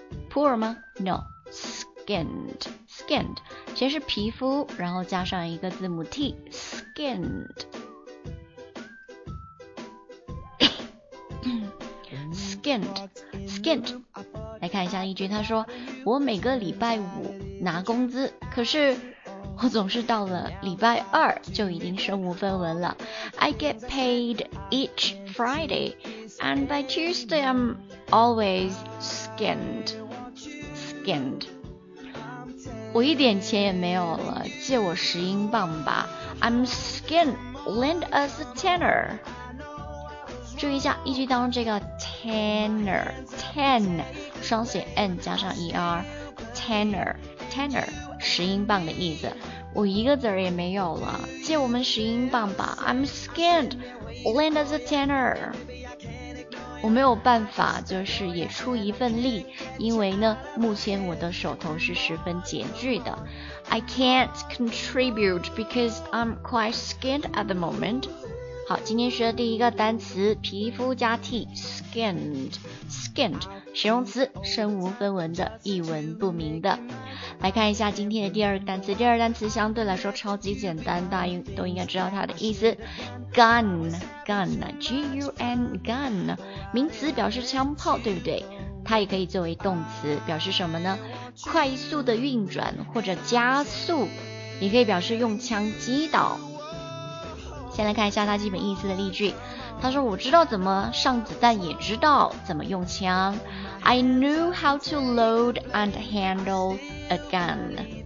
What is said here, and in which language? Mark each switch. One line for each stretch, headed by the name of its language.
English: poor
Chinese: 吗？
English: no，
Chinese: skinned， skinned， 先是皮肤，然后加上一个字母 t， skinned， skinned， skinned。来看一下例句，他说我每个礼拜五拿工资，可是我总是到了礼拜二就已经身无分文了。
English: I get paid each Friday and by Tuesday I'm always skinned. Skinned.
Chinese: 我一点钱也没有了，借我十英镑吧。
English: I'm skinned. Lend us a tenner.
Chinese: 注意一下，一句当中这个
English: tenner， ten
Chinese: 双写
English: n
Chinese: 加上
English: er， tenner。
Chinese: Tenner， 十英镑的意思。我一个子儿也没有了，借我们十英镑吧。
English: I'm skinned. Lend us a tenner.
Chinese: 我没有办法，就是也出一份力，因为呢，目前我的手头是十分拮据的。
English: I can't contribute because I'm quite skinned at the moment.
Chinese: 好，今天学的第一个单词，皮肤加 T， skinned， 形容词，身无分文的，一文不名的。来看一下今天的第二个单词，第二个单词相对来说超级简单，大家都应该知道它的意思。 Gun, G-U-N, gun， 名词表示枪炮，对不对？它也可以作为动词，表示什么呢？快速的运转或者加速，也可以表示用枪击倒。先来看一下它基本意思的例句，他说我知道怎么上子弹，也知道怎么用枪。
English: I knew how to load and handle a gun。